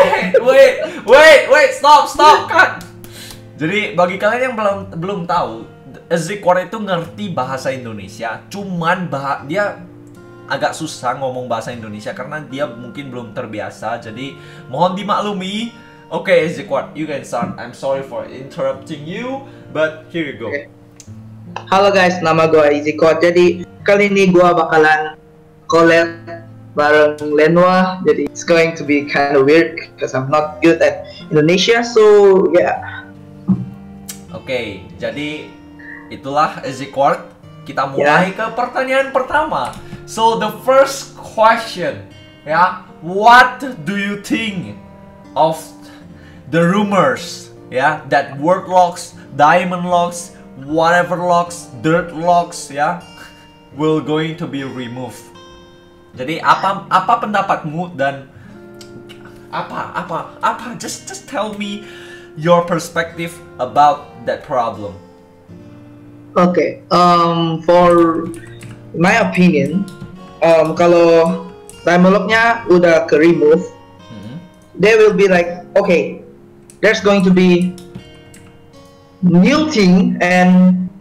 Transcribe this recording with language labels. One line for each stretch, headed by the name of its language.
English: wait, stop, cut.
Indonesian: Jadi bagi kalian yang belum tahu, Zikward itu ngerti bahasa Indonesia, cuman dia agak susah ngomong bahasa Indonesia karena dia mungkin belum terbiasa. Jadi mohon dimaklumi. Oke, okay, Zikward,
English: you can start. I'm sorry for interrupting you, but here you go. Okay.
Indonesian: Halo guys, nama gue Zikward. Jadi kali ini gue bakalan collab bareng Lenwa.
English: Jadi it's going to be kind of weird because I'm not good at Indonesia. So yeah.
Indonesian: Oke, okay, jadi itulah Zikward. Kita mulai ke pertanyaan pertama.
English: So the first question, what do you think of the rumors, that word locks, diamond locks, whatever locks, dirt locks, will going to be removed.
Indonesian: Jadi apa pendapatmu dan apa?
English: Just tell me your perspective about that problem. Okay, for my opinion,
Indonesian: kalau diamond locknya udah ke remove,
English: they will be like, okay, there's going to be new thing and